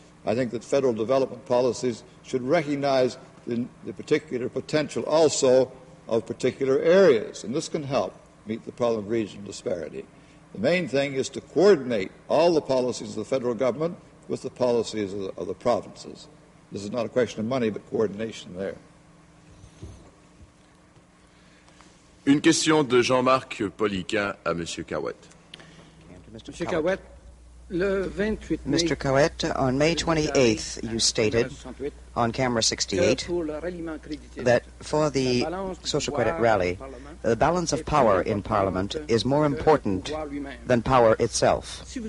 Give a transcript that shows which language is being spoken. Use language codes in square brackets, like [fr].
[en] I think that federal development policies should recognize the particular potential also of particular areas, and this can help meet the problem of regional disparity. The main thing is to coordinate all the policies of the federal government with the policies of the provinces. This is not a question of money, but coordination there. [fr] Une question de Jean-Marc Poliquin à Monsieur Caouette. Monsieur Caouette, le 28 mai, [en] Mr. Caouette, on May 28th, you stated on camera 68 that for the social credit rally, the balance of power in Parliament is more important than power itself.